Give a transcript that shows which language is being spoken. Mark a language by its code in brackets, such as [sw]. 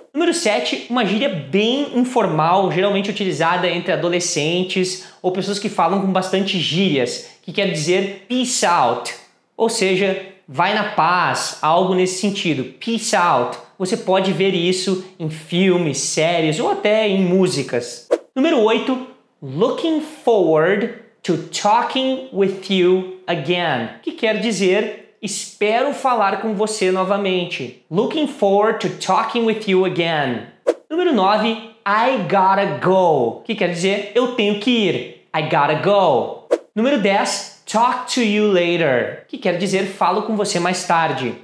[pt] Número 7, uma gíria bem informal, geralmente utilizada entre adolescentes ou pessoas que falam com bastante gírias, que quer dizer [en] peace out, [pt] ou seja, vai na paz, algo nesse sentido. [en] Peace out. [pt] Você pode ver isso em filmes, séries ou até em músicas. Número 8, [en] looking forward to talking with you again. [pt] Que quer dizer, espero falar com você novamente. [en] Looking forward to talking with you again. [pt] Número 9, [en] I gotta go. [pt] Que quer dizer, eu tenho que ir. [en] I gotta go. [pt] Número 10, [en] talk to you later, [pt] que quer dizer falo com você mais tarde.